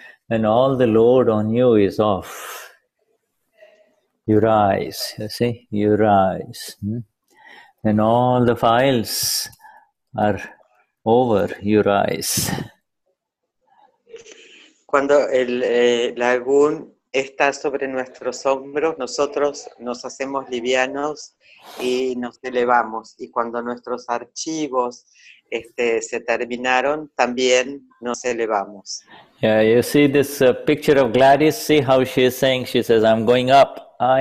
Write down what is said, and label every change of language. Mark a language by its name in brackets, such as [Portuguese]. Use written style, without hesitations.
[English] And all the load on you is off. You rise, you see, you rise. And all the files are over, you rise. [Spanish] Cuando el lagún está sobre nuestros hombros, nosotros nos hacemos livianos y nos elevamos. Y cuando nuestros archivos se terminaron, también nos elevamos. [English] Yeah, you see this picture of Gladys, see how she is saying, she says, I am going up.